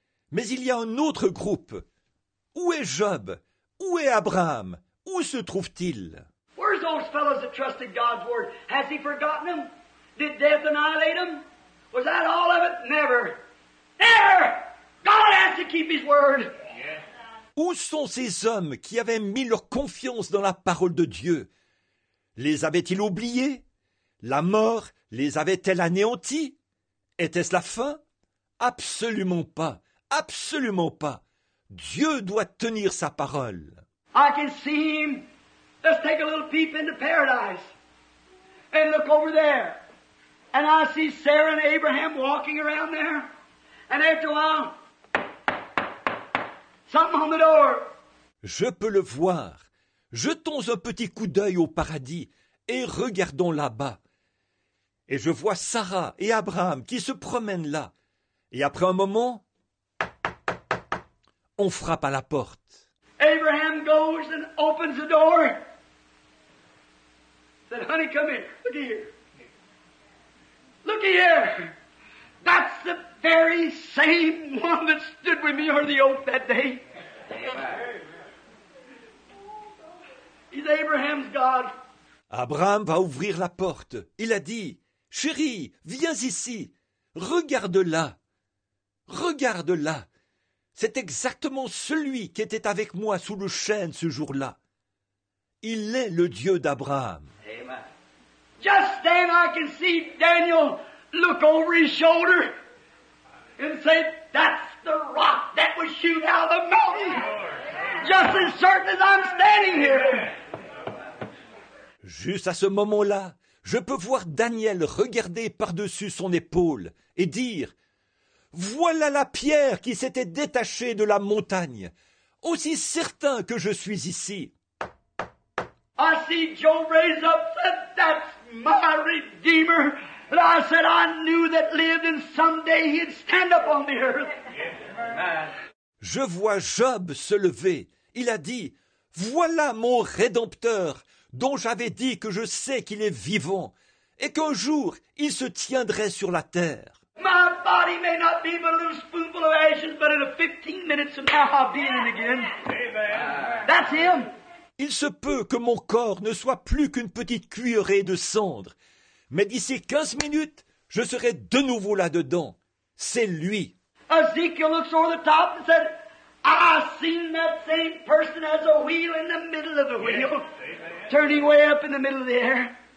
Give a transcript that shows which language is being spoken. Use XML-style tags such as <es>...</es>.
<fr>Mais il y a un autre groupe. Où est Job? Où est Abraham? Où se trouve-t-il? Où</fr> <en>remembers those fellows that trusted God's word. Has he forgotten them? Did death annihilate them? Was that all of it? Never. Never! God has to keep his word. Yeah.</en> <fr>Où sont ces hommes qui avaient mis leur confiance dans la parole de Dieu? Les avait-il oubliés? La mort les avait-elle anéantis? Était-ce la fin? Absolument pas. Absolument pas. Dieu doit tenir sa parole.</fr> <en>I can see him. Let's take a little peep into paradise. And look over there. And I see Sarah and Abraham walking around there. And after a while, something on the door.</en> <fr>Je peux le voir. Jetons un petit coup d'œil au paradis et regardons là-bas. Et je vois Sarah et Abraham qui se promènent là. Et après un moment, on frappe à la porte.</fr> <en>Abraham goes and opens the door. Said, honey, come in. Look here. Look here. That's the very same one that stood with me under the oak that day. He's Abraham's God.</en> <fr>Abraham va ouvrir la porte. Il a dit, chérie, viens ici. Regarde là. Regarde là. C'est exactement celui qui était avec moi sous le chêne ce jour-là. Il est le Dieu d'Abraham.</fr> <en>Amen. Just then I can see Daniel look over his shoulder and say, that's the rock that was shoot out of the mountain. Just as certain as I'm standing here.</en> <fr>Juste à ce moment-là, je peux voir Daniel regarder par-dessus son épaule et dire, voilà la pierre qui s'était détachée de la montagne, aussi certain que je suis ici.</fr> <en>I see Joe raise up, said, that's my Redeemer. And I said, I knew that lived and someday he'd stand up on the earth.</en> <fr>Je vois Job se lever. Il a dit, voilà mon Rédempteur dont j'avais dit que je sais qu'il est vivant et qu'un jour il se tiendrait sur la terre.</fr> <en>My body may not be but a little spoonful of ashes, but in a 15 minutes from now I'll be in it again. Amen. That's him.</en> <fr>Il se peut que mon corps ne soit plus qu'une petite cuillerée de cendres, mais d'ici 15 minutes, je serai de nouveau là-dedans. C'est lui.</fr> <en>Ezekiel looks over the top and said, I seen that same person as a wheel in the middle of the wheel. Yes. Turning way up in the middle of the air.</en>